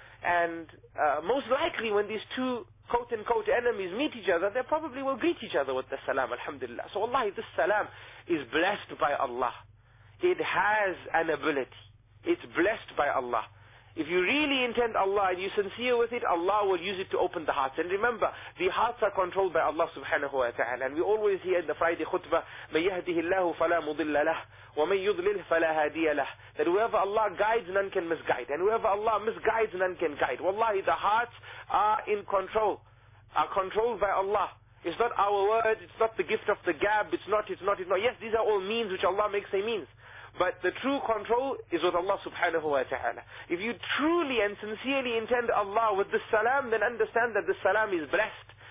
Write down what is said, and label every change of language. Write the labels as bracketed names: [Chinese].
[English] And most likely when these two quote-unquote enemies meet each other, they probably will greet each other with the salam, alhamdulillah. So wallahi, this salam is blessed by Allah. It has an ability. It's blessed by Allah. If you really intend Allah and you're sincere with it, Allah will use it to open the hearts. And remember, the hearts are controlled by Allah subhanahu wa ta'ala. [Arabic] And we always hear in the Friday khutbah, مَنْ يَهْدِهِ اللَّهُ فَلَا مُضِلَّ لَهُ وَمَنْ يُضْلِلْ فَلَا هَادِيَ لَهُ. [English] That whoever Allah guides, none can misguide. And whoever Allah misguides, none can guide. Wallahi, the hearts are in control, are controlled by Allah. It's not our word, it's not the gift of the gab, it's not. Yes, these are all means which Allah makes a means. But the true control is with Allah subhanahu wa ta'ala. If you truly and sincerely intend Allah with this salam, then understand that this salam is blessed.